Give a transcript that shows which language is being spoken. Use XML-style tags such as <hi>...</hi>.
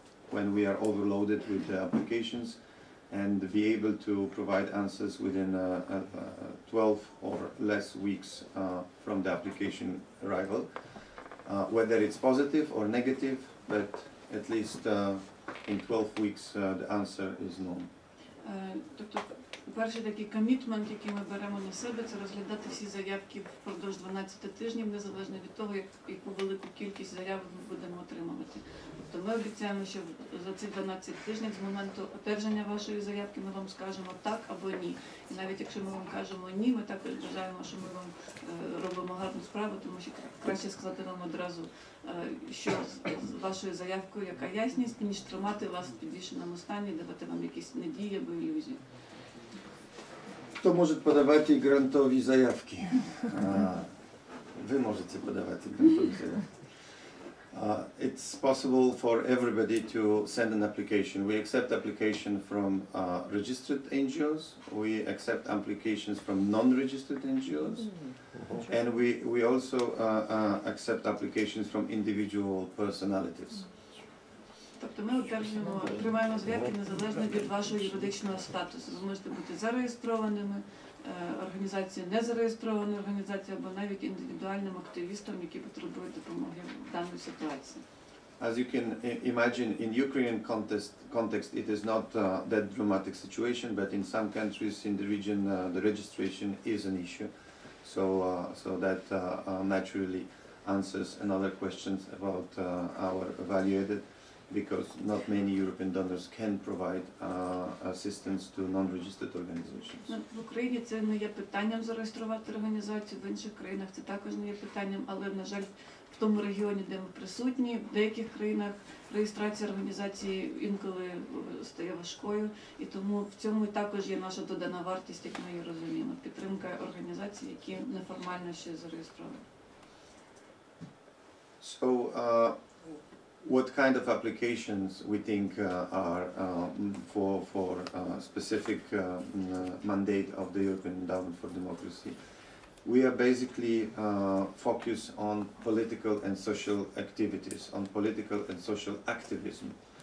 <en>when we are overloaded with the applications and be able to provide answers within 12 or less weeks from the application arrival, whether it's positive or negative, but at least in 12 weeks the answer is known.</en> <uk>Перший такий комітмент, який ми беремо на себе, це розглядати всі заявки впродовж 12 тижнів, незалежно від того, яку велику кількість заявок ми будемо отримувати. Тобто ми обіцяємо, що за ці 12 тижнів з моменту одержання вашої заявки ми вам скажемо так або ні. І навіть якщо ми вам кажемо ні, ми також вважаємо, що ми вам робимо гарну справу, тому що краще сказати вам одразу, що з вашою заявкою яка ясність, ніж тримати вас в підвішеному стані, давати вам якісь надії або ілюзії. Хто може подавати грантові заявки? Ви можете подавати грантові заявки.</uk> <en>It's possible for everybody to send an application. We accept application from registered NGOs. We accept applications from non-registered NGOs. And we also accept applications from individual personalities.</en> <uk>Тобто ми приймаємо заявки незалежно від вашого юридичного статусу. Ви можете бути зареєстрованими, організація не зареєстрована організація, або навіть індивідуальним активістом, який потребує допомоги в даній ситуації.</uk> <en>As you can imagine, in Ukrainian context, it is not that dramatic situation, but in some countries in the region, the registration is an issue. So that naturally answers another question about our evaluated. Because not many European donors can provide assistance to non-registered organizations.</en> <uk>В Україні це не є питанням зареєструвати організацію, в інших країнах це також не є питанням, але, на жаль, в тому регіоні, де ми присутні, в деяких країнах реєстрація організації інколи стає важкою, і тому в цьому також є наша додана вартість, як ми її розуміємо, підтримка організацій, які неформально ще зареєстровані.</uk> <en>So, what kind of applications we think are for a specific mandate of the European Endowment for Democracy? We are basically focused on political and social activities, on political and social activism.</en>